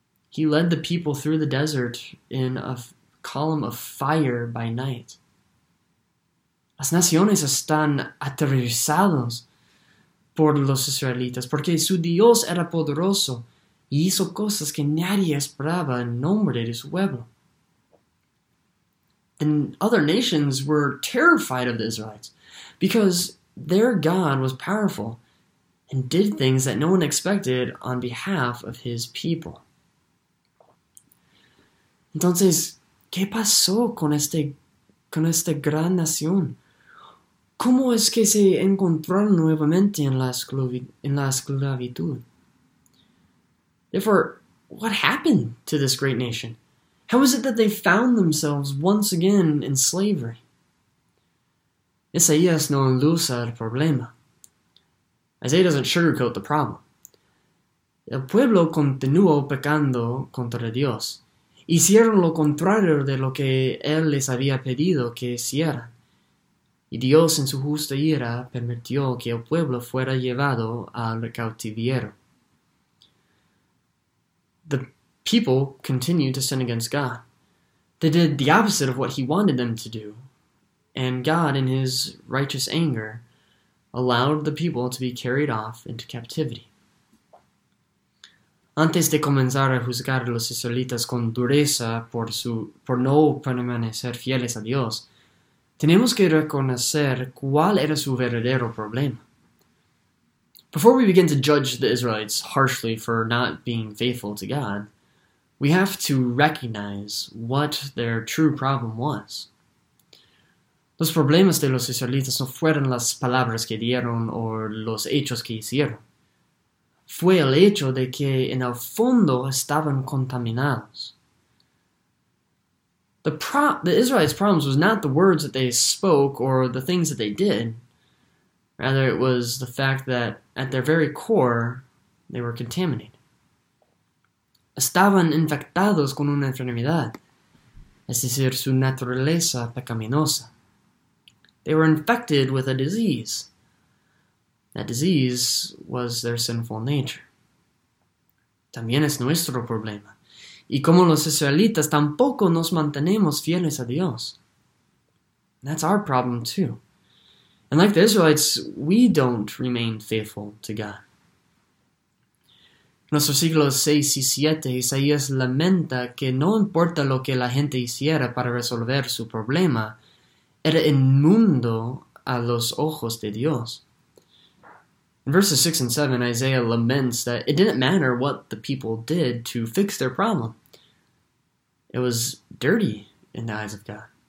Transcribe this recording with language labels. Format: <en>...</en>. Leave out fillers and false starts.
<en>He led the people through the desert in a column of fire by night.</en> <es>Las naciones están aterrorizadas por los israelitas porque su Dios era poderoso y hizo cosas que nadie esperaba en nombre de su pueblo.</es> <en>And other nations were terrified of the Israelites because their God was powerful and did things that no one expected on behalf of his people.</en> <es>Entonces, ¿qué pasó con esta gran nación? ¿Cómo es que se encontraron nuevamente en la esclavitud?</es> <en>Therefore, what happened to this great nation? How is it that they found themselves once again in slavery?</en> <es>Isaías no enlusa el problema.</es> <en>Isaiah doesn't sugarcoat the problem.</en> <es>El pueblo continuó pecando contra Dios. Hicieron lo contrario de lo que él les había pedido que hicieran. Y Dios en su justa ira permitió que el pueblo fuera llevado al cautiverio.</es> <en>The people continued to sin against God. They did the opposite of what he wanted them to do. And God, in his righteous anger, allowed the people to be carried off into captivity.</en> <es>Antes de comenzar a juzgar a los israelitas con dureza por no permanecer fieles a Dios, tenemos que reconocer cuál era su verdadero problema.</es> <en>Before we begin to judge the Israelites harshly for not being faithful to God, we have to recognize what their true problem was.</en> <es>Los problemas de los israelitas no fueron las palabras que dieron o los hechos que hicieron. Fue el hecho de que en el fondo estaban contaminados.</es> <en>The Israelites' problems was not the words that they spoke or the things that they did. Rather, it was the fact that at their very core, they were contaminated.</en> <es>Estaban infectados con una enfermedad, es decir, su naturaleza pecaminosa.</es> <en>They were infected with a disease. That disease was their sinful nature.</en> <es>También es nuestro problema. Y como los israelitas, tampoco nos mantenemos fieles a Dios.</es> <en>That's our problem too. And like the Israelites, we don't remain faithful to God.</en> <es>En los versículos 6 y 7, Isaías lamenta que no importa lo que la gente hiciera para resolver su problema, era inmundo a los ojos de Dios.</es> <en>In verses 6 and 7, Isaiah laments that it didn't matter what the people did to fix their problem. It was dirty in the eyes of God.</en>